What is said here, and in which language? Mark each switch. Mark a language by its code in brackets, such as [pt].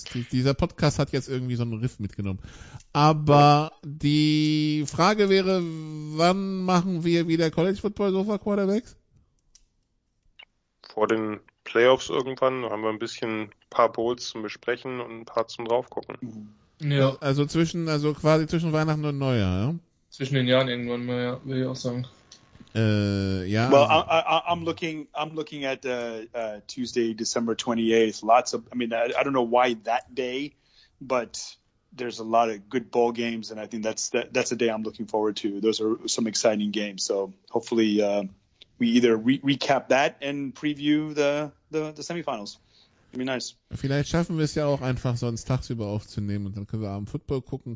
[de] Dieser Podcast hat jetzt irgendwie so einen Riff mitgenommen. Aber die Frage wäre, wann machen wir wieder College Football Sofa Quarterbacks? Vor den Playoffs irgendwann haben wir ein paar Bowls zum Besprechen und ein paar zum Draufgucken. Ja. Also quasi zwischen Weihnachten und Neujahr, ja? Zwischen den Jahren irgendwann mal, ja, will ich auch sagen. Ja. [en] Well, I'm looking at Tuesday, December 28th. I don't know why that day, but there's a lot of good bowl games and I think that's the day I'm looking forward to. Those are some exciting games. So hopefully, we either recap that and preview the semifinals. It'd be nice. [de] Vielleicht schaffen wir es ja auch einfach sonst tagsüber aufzunehmen und dann können wir am Football gucken.